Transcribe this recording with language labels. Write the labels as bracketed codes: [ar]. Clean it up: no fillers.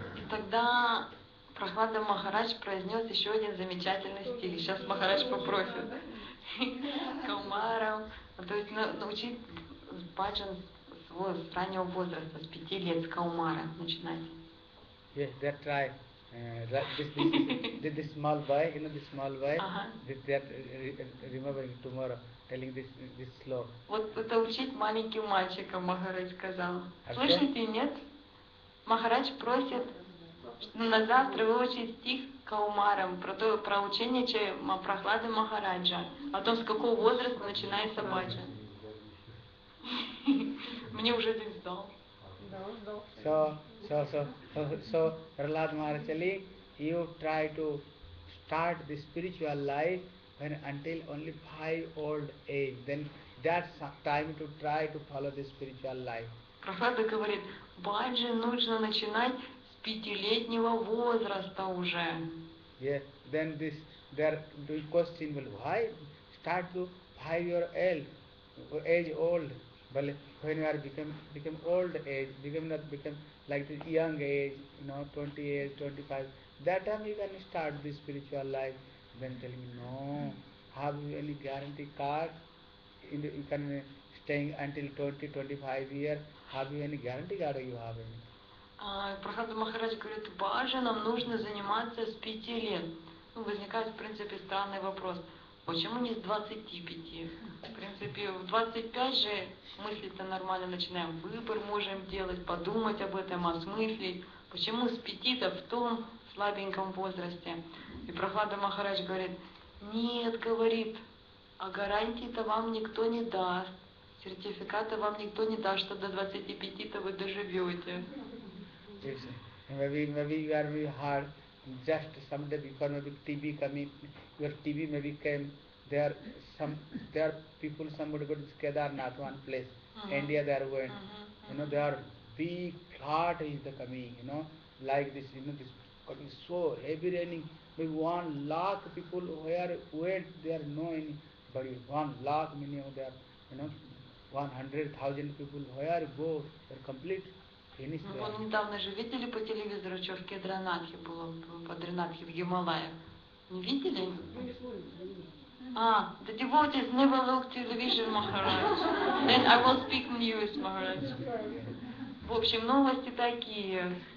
[ru] Тогда Прохлада Махарадж произнес еще один замечательный стих. Сейчас Махарадж попросит. Каумарам. То есть научить баджан с раннего возраста, с 5 лет, с каумара начинать. [en] Yes, they try. This small boy, you know this small boy, they are remembering tomorrow. Telling this slow. [ru] Вот это учить маленьким мальчикам, Махарадж сказал. Okay. Слышите, нет? Махарадж просит на завтра выучить стих каумарам про учение Прохлады Махараджа. О том, с какого возраста начинается бача. Мне уже здесь дал. Да, он сдал. [en] So, Прохлад Махарадж, you try to start the spiritual life. When until only 5 old age, then that's time to try to follow the spiritual life. [ru] Прохлада говорит, баджи нужно начинать с 5-летнего возраста уже. [en] Yeah, then this their question will why start to 5 year old age old, but when you are become old age, become not become like the young age, you know 20 age, 25. That time you can start the spiritual life. Then tell me, no, have you any guarantee card? You can stay until 20, 25 years. Have you any guarantee card you have? [ru] Прохлада Махарадж говорит, баджа, нам нужно заниматься с 5 лет. Ну, возникает, в принципе, странный вопрос. Почему не с 25? В принципе, в 25 же мыслить-то нормально начинаем. Выбор можем делать, подумать об этом, осмыслить. почему с пяти-то в том слабеньком возрасте? И Прохлада Махарадж говорит, нет, говорит, а гарантии-то вам никто не даст, сертификата вам никто не даст, что до 25-то вы доживете. [en] Maybe you are very hard, just someday because maybe TB coming, your TB maybe came, there are people, somebody go to Kedarnath one place, India they are going, you know, there are big flood is the coming, you know, like this, you know, this coming so heavy raining, maybe 1 lakh people went, there no any, but 1 lakh many of them, you know, 100,000 people, where go, they are complete. [ru] Ну, вон недавно же видели по телевизору, что в Кедранадхе было, в Гималаях. Не видели? А, [en] the devotees never look television, Maharaj. Then I will speak news, Maharaj. [ru] В общем, новости такие.